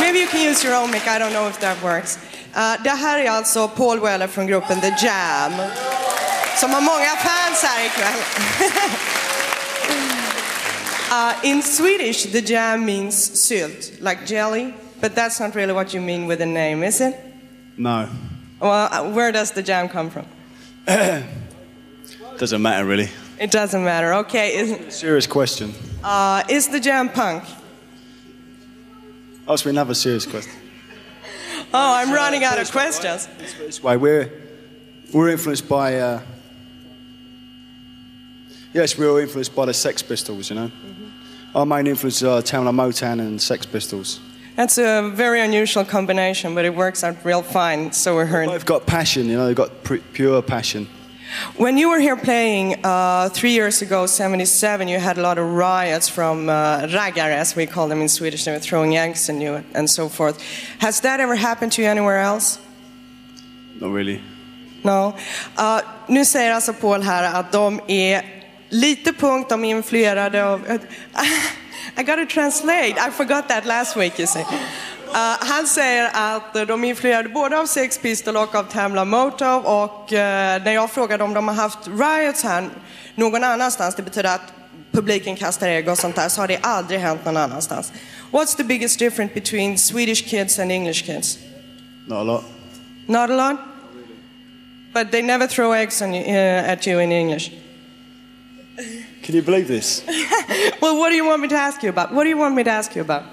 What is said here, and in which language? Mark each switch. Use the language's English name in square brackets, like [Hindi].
[English] Maybe you can use your own mic, I don't know if that works. [Swedish] Det här är alltså Paul Weller från gruppen The Jam. Som har många fans här ikväll. [English] In Swedish, The Jam means sylt, like jelly. But that's not really what you mean with the name, is it? No. Well, where does The Jam come from? Doesn't matter, really. It doesn't matter, okay. Serious question. Is The Jam punk? Oh, so we have a serious question. Oh, I'm running out of questions. This way. We're influenced by... Yes, we're all influenced by the Sex Pistols, you know? Mm-hmm. Our main influences are Tamla Motown and Sex Pistols. That's a very unusual combination, but it works out real fine, so we're heard. They've got passion, you know, they've got pure passion. When you were here playing 3 years ago, 77, you had a lot of riots from raggare, as we call them in Swedish, they were throwing eggs and you and so forth. Has that ever happened to you anywhere else? Not really. No? [Swedish] Nu säger alltså Paul här att de är lite punk, de är influerade av... [English] I gotta translate. I forgot that last week, you see. [Swedish] Han säger att de är influerade både av Sex Pistols och av Tamla Motown. Och när jag frågade om de har haft riots här någon annanstans, det betyder att publiken kastar ägg och sånt där, så har det aldrig hänt någon annanstans. [English] What's the biggest difference between Swedish kids and English kids? Not a lot. Not a lot? Not really. But they never throw eggs on you, at you in English. Can you believe this? Well, what do you want me to ask you about? What do you want me to ask you about?